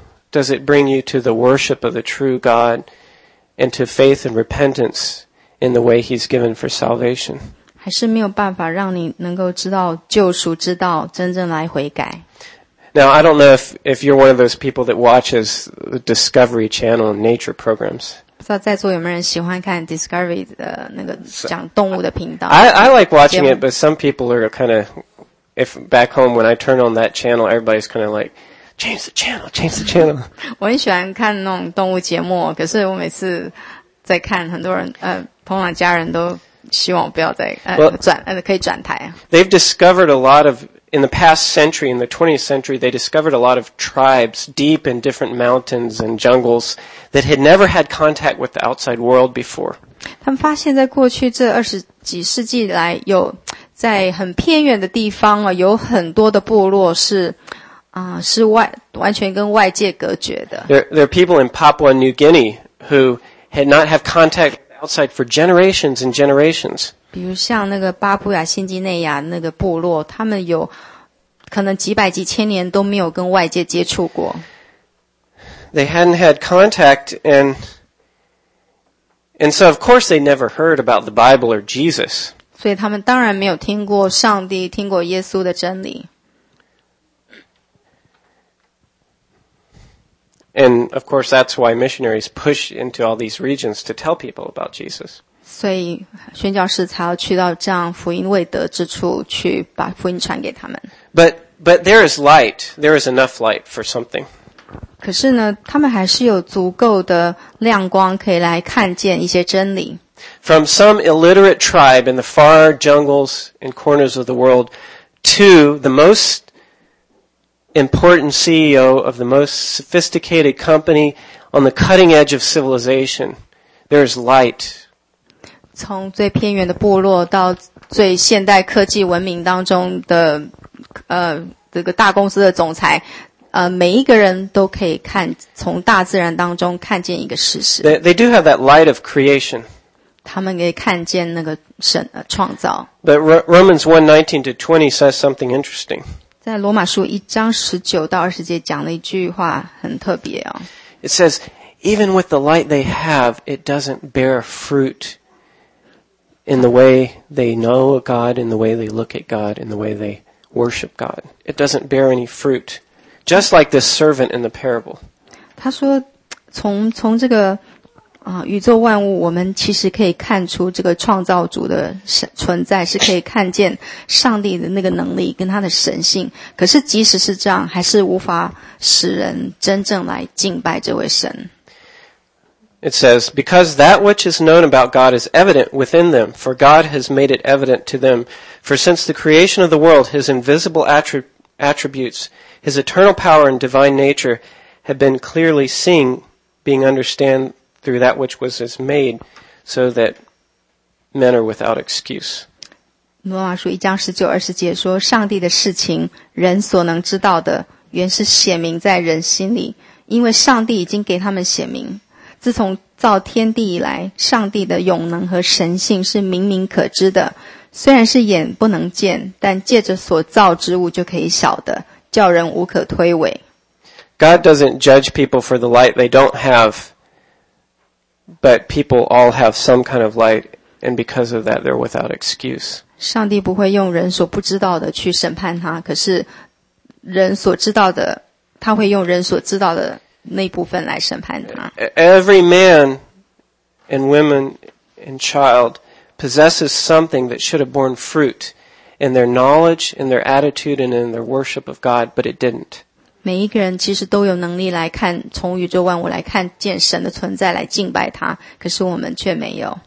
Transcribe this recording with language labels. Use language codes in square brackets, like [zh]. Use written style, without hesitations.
[en] Does it bring you to the worship of the true God and to faith and repentance in the way He's given for salvation? [zh] 还是没有办法让你能够知道救赎之道，真正来悔改。 [en] Now, I don't know if you're one of those people that watches the Discovery Channel nature programs. [zh] 不知道在座有没有人喜欢看 Discovery 的那个讲动物的频道。 [en] I like watching it, but some people are kind of, if back home when I turn on that channel, everybody's kind of like, change the channel. [zh] 我很喜欢看那种动物节目，可是我每次在看很多人，通常家人都希望不要再可以转台。 [en] They've discovered a lot of,In the past century, in the 20th century, they discovered a lot of tribes deep in different mountains and jungles that had never had contact with the outside world before. [zh] 他们发现在过去这二十几世纪来，有在很偏远的地方啊，有很多的部落是是完全跟外界隔绝的。 [en] There are people in Papua New Guinea who had not had contact with the outside for generations and generations. [zh] 比如像那个巴布亚新几内亚那个部落，他们有可能几百几千年都没有跟外界接触过。 [en] They hadn't had contact, and so of course they never heard about the Bible or Jesus. [zh] 所以他们当然没有听过上帝，听过耶稣的真理。 [en] And of course that's why missionaries push into all these regions to tell people about Jesus. [zh] 所以宣教士才要去到这样福音未得之处去把福音传给他们。 [en] But there is light. There is enough light for something. [zh] 可是呢，他们还是有足够的亮光可以来看见一些真理。 [en] From some illiterate tribe in the far jungles and corners of the world to the most important CEO of the most sophisticated company on the cutting edge of civilization, there is light. [zh] 从最偏远的部落到最现代科技文明当中的这个大公司的总裁每一个人都可以看从大自然当中看见一个事实。 [en] They do have that light of creation. [zh] 他们可以看见那个神的创造。 [en] But Romans 1:19-20 says something interesting. [zh] 在罗马书一章十九到二十节讲了一句话很特别哦。 [en] It says, even with the light they have, it doesn't bear fruit in the way they know God, in the way they look at God, in the way they worship God. It doesn't bear any fruit. Just like this servant in the parable. [zh] 他说从这个宇宙万物我们其实可以看出这个创造主的存在是可以看见上帝的那个能力跟他的神性。可是即使是这样还是无法使人真正来敬拜这位神。 [en] It says, because that which is known about God is evident within them, for God has made it evident to them. For since the creation of the world, his invisible attributes, his eternal power and divine nature have been clearly seen, being understood through that which was made, so that men are without excuse. [zh] 罗马书一章十九二十节说，上帝的事情，人所能知道的，原是显明在人心里，因为上帝已经给他们显明。自从造天地以来，上帝的永能和神性是明明可知的。虽然是眼不能见，但借着所造之物就可以晓得，叫人无可推诿。 [en] God doesn't judge people for the light they don't have, but people all have some kind of light, and because of that, they're without excuse. [zh] 上帝不会用人所不知道的去审判他，可是人所知道的，他会用人所知道的那部分来审判他。 [en] Every man and woman and child possesses something that should have borne fruit in their knowledge, in their attitude, and in their worship of God, but it didn't. [zh] 每一个人其实都有能力来看，从宇宙万物来看见神的存在，来敬拜他，可是我们却没有。